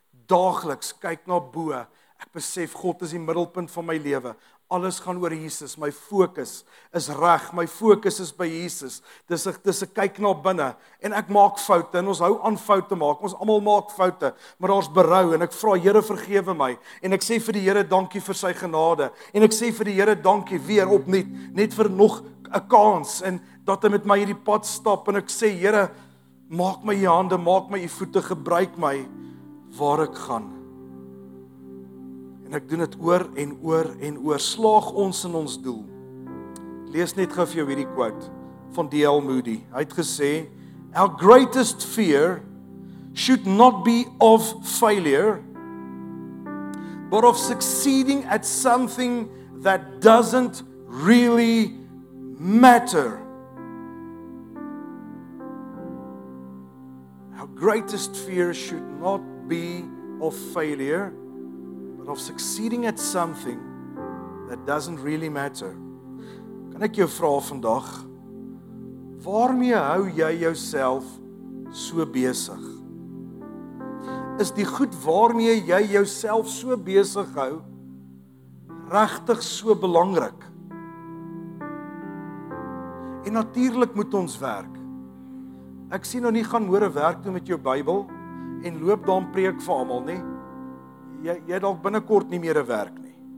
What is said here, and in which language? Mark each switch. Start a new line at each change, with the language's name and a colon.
Afrikaans: dagliks kyk na bo, ek besef God is die middelpunt van my lewe, alles gaan oor Jesus, my fokus is reg, my fokus is by Jesus, dis a kyk na binne, en ek maak foute, en ons hou aan foute maak, ons allemaal maak foute, maar daar is berou, en ek vra Here vergewe my, en ek sê vir die Here dankie vir sy genade, en ek sê vir die Here dankie weer op nie, net vir nog 'n kans, en dat hy met my hierdie pad stap, en ek sê Here, maak my die hande, maak my die voete, gebruik my, waar ek gaan, en ek doen het oor en oor en oor, slaag ons in ons doel, lees net gou vir jou hierdie quote, van D.L.
English: Moody,
Afrikaans: hy het gesê,
English: our greatest fear, should not be of failure, but of succeeding at something, that doesn't really matter, our greatest fear, should not be of failure, of succeeding at something that doesn't really matter.
Afrikaans: Kan ek jou vra vandag, waarmee hou jy jouself so besig? Is die goed waarmee jy jouself so besig hou, regtig so belangrik? En natuurlik moet ons werk. Ek sien nou nie gaan môre werk toe met jou Bybel, en loop dan preek vir almal nie. Jy het al binnenkort nie meer een werk nie.